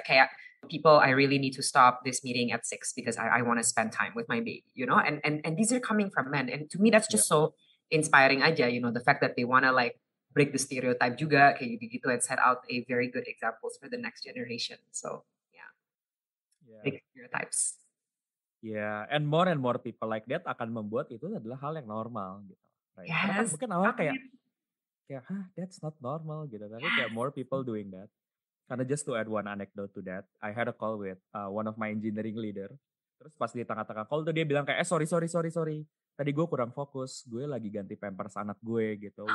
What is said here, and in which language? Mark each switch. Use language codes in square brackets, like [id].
[id] Kayak, [en] people, I really need to stop this meeting at 6 because I want to spend time with my baby, you know? And these are coming from men. And to me, that's just so inspiring [id] aja, [en] you know, the fact that they wanna like break the stereotype [id] juga kayak gitu [en] and set out a very good examples for the next generation. So yeah. Break stereotypes. Yeah, and more people like that [id] akan membuat itu adalah hal yang normal gitu. [en] Right? Yes. [id] Mungkin awal kayak [en] that's not normal [id] gitu, tapi kayak [en] more people doing that. [id] Karena [en] just to add one anecdote to that, I had a call with one of my engineering leader. [id] Terus pas di tengah-tengah call tuh dia bilang kayak [en] sorry. [id] Tadi gue kurang fokus, gue lagi ganti pampers anak gue gitu.